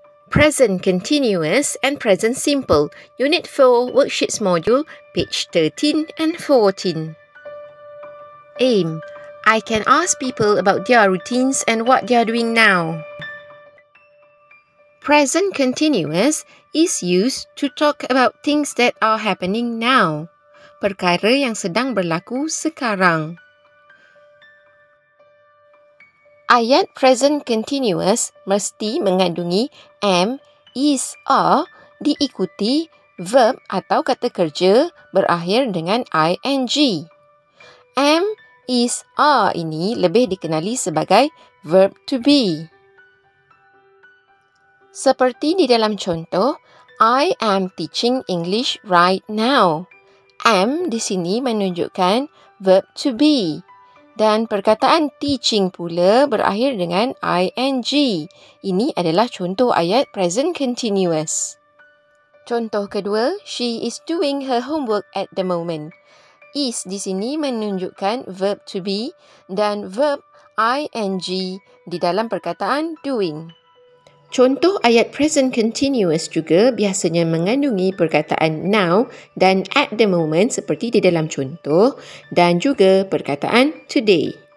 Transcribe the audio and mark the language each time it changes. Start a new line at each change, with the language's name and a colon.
English: present continuous and present simple, Unit 4, Worksheets Module, page 13 and 14. Aim. I can ask people about their routines and what they are doing now. Present continuous is used to talk about things that are happening now.
Malay: Perkara yang sedang berlaku sekarang. Ayat present continuous mesti mengandungi am, is, are diikuti verb atau kata kerja berakhir dengan ing. Am, is, are ini lebih dikenali sebagai verb to be. Seperti di dalam contoh,
English: I am teaching English right now.
Malay: Am di sini menunjukkan verb to be. Dan perkataan teaching pula berakhir dengan ing. Ini adalah contoh ayat present continuous. Contoh kedua,
English: she is doing her homework at the moment.
Malay: Is di sini menunjukkan verb to be dan verb ing di dalam perkataan doing. Contoh ayat present continuous juga biasanya mengandungi perkataan now dan at the moment seperti di dalam contoh dan juga perkataan today.